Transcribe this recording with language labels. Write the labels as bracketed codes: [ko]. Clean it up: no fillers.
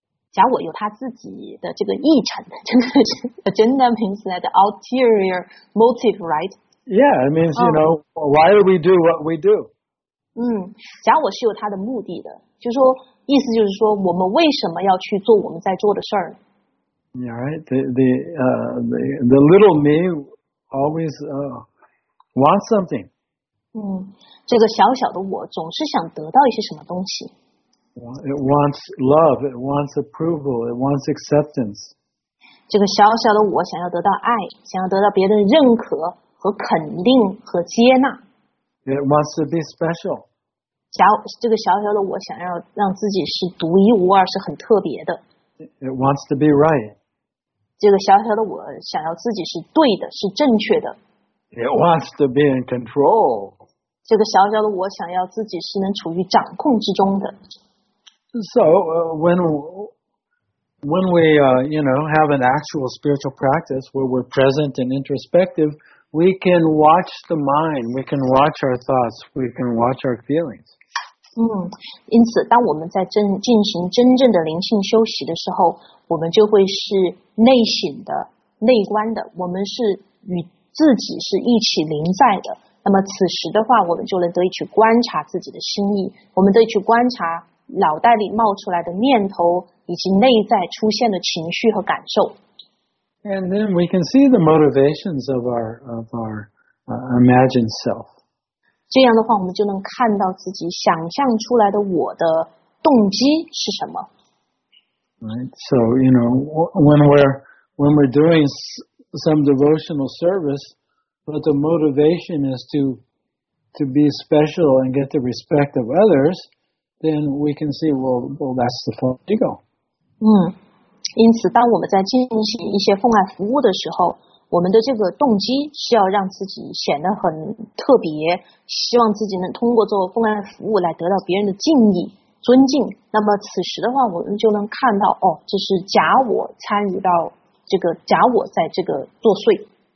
[zh] 假我有他自己的这个议程。 [en] Agenda means that ulterior motive, right? Yeah, it means, you know, why do we do what we do? [zh] 假我是有他的目的的。就是说，意思就是说，我们为什么要去做我们在做的事儿？ [en] Yeah, right. The little me always wants something. [zh] 这个小小的我总是想得到一些什么东西。 [en] It wants love, it wants approval, it wants acceptance. [zh] 这个小小的我想要得到爱，想要得到别人认可和肯定和接纳。 [en] It wants to be special. [zh] 这个小小的我想要让自己是独一无二，是很特别的。 [en] It wants to be right. [zh] 这个小小的我想要自己是对的，是正确的。 [en] It wants to be in control. [zh] 这个小小的我想要自己是能处于掌控之中的。 [en] So, when we have an actual spiritual practice where we're present and introspective, we can watch the mind, we can watch our thoughts, we can watch our feelings. [zh] 因此当我们在进行真正的灵性修习的时候，我们就会是内省的，内观的，我们是与自己是一起临在的。那么此时的话，我们就能得以去观察自己的心意，我们得以去观察脑袋里冒出来的念头以及内在出现的情绪和感受。 [en] And then we can see the motivations of our imagined self. [zh] 这样的话，我们就能看到自己想象出来的我的动机是什么。 [en] Right. So you know, when we're doing some devotional service, but the motivation is to be special and get the respect of others. Then we can see, well, that's the false ego. [zh] 因此当我们在进行一些奉爱服务的时候，我们的这个动机是要让自己显得很特别，希望自己能通过做奉爱服务来得到别人的敬意、尊敬。那么此时的话，我们就能看到，哦，这是假我参与到这个假我在这个作祟。